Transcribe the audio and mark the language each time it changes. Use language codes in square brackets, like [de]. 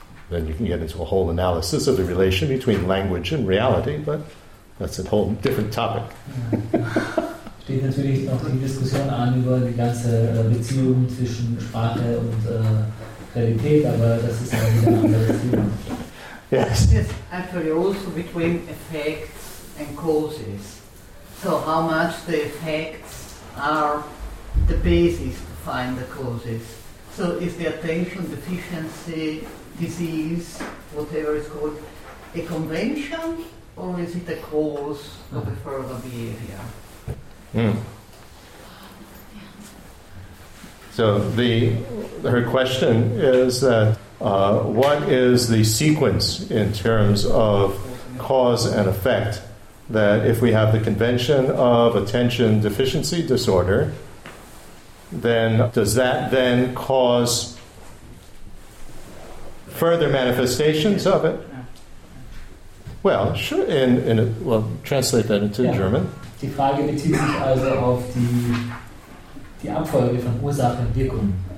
[en] Then you can get into a whole analysis of the relation between language and reality, but that's a whole different topic. [de] Steht natürlich noch die Diskussion an über die ganze Beziehung zwischen Sprache und [en] Yes. Actually, also between effects and causes. So how much the effects are the basis to find the causes. So is the attention deficiency, disease, whatever it's called, a convention or is it the cause of the further behavior? So her question is that what is the sequence in terms of cause and effect? That if we have the convention of attention deficiency disorder, then does that then cause further manifestations of it? Well, sure. We'll translate that into German. [de] Die Frage bezieht sich also auf die Abfolge von Ursache und Wirkung.